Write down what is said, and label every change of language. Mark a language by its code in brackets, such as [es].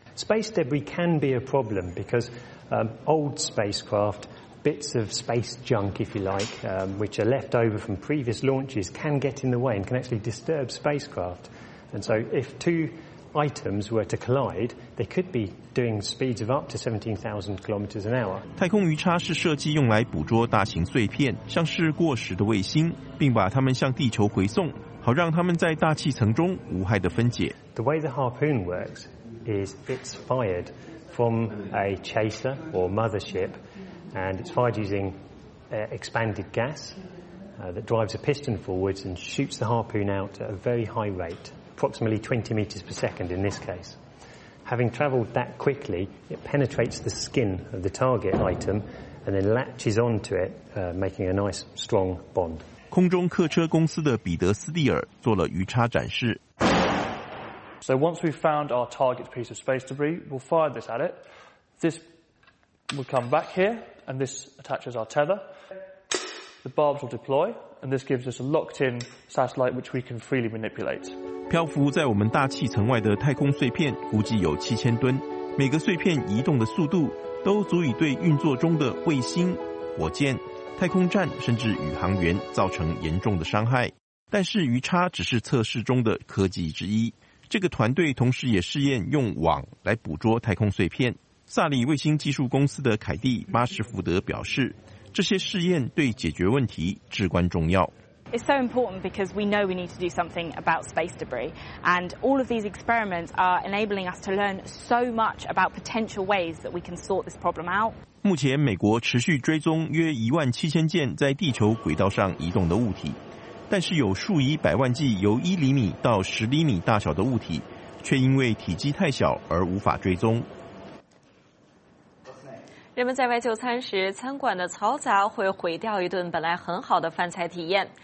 [en] Space debris can be a problem because old spacecraftBits of space junk, if you like, which are left over from previous launches can get in the way and can actually disturb spacecraft. And so if two items were to collide, they could be doing speeds of up to 17,000 kilometers an hour. [zh] 太空鱼叉是设计用来捕捉大型碎片，像是过时的卫星，并把它们向地球回送，好让它们在大气层中无害的分解。 [en] The way the harpoon works is it's fired from a chaser or mothership. And it's fired using expanded gas that drives a piston forwards and shoots the harpoon out at a very high rate, approximately 20 meters per second in this case. Having traveled that quickly, it penetrates the skin of the target item and then latches onto it, making a nice strong bond. [zh] 空中客车公司的彼得斯蒂尔做了鱼叉展示。 [en] So once we've found our target piece of space debris, we'll fire this at it. This will come back here. And this attaches our tether. The barbs will deploy, and this gives us a locked-in satellite which we can freely manipulate. [zh] 漂浮在我们大气层外的太空碎片估计有7000吨，每个碎片移动的速度都足以对运作中的卫星、火箭、太空站甚至宇航员造成严重的伤害。但是鱼叉只是测试中的科技之一，这个团队同时也试验用网来捕捉太空碎片。萨利卫星技术公司的凯蒂·巴什福德表示，这些试验对解决问题至关重要。 [en] It's so important because we know we need to do something about space debris, and all of these experiments are enabling us to learn so much about potential ways that we can sort this problem out. [zh] 目前，美国持续追踪约17000件在地球轨道上移动的物体，但是有数以百万计由1厘米到10厘米大小的物体，却因为体积太小而无法追踪。人们在外就餐时，餐馆的嘈杂会毁掉一顿本来很好的饭菜体验。